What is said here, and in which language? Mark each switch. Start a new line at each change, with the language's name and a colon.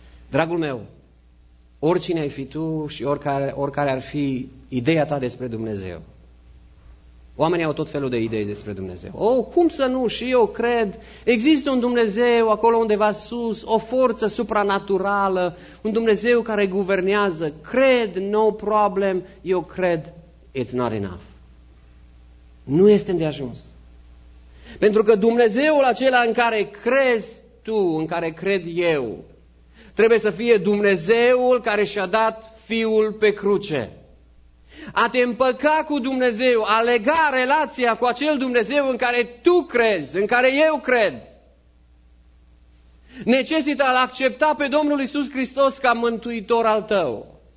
Romanian: Dragul meu, oricine ai fi tu și oricare ar fi ideea ta despre Dumnezeu, oamenii au tot felul de idei despre Dumnezeu. Oh, cum să nu? Și eu cred. Există un Dumnezeu acolo undeva sus, o forță supranaturală, un Dumnezeu care guvernează. Cred,
English: no problem,
Romanian: eu cred,
English: it's not enough.
Romanian: Nu este de ajuns. Pentru că Dumnezeul acela în care crezi tu, în care cred eu, trebuie să fie Dumnezeul care și-a dat Fiul pe cruce. A te împăca cu Dumnezeu, a lega relația cu acel Dumnezeu în care tu crezi, în care eu cred, necesită a-L accepta pe Domnul Iisus Hristos ca mântuitor al tău.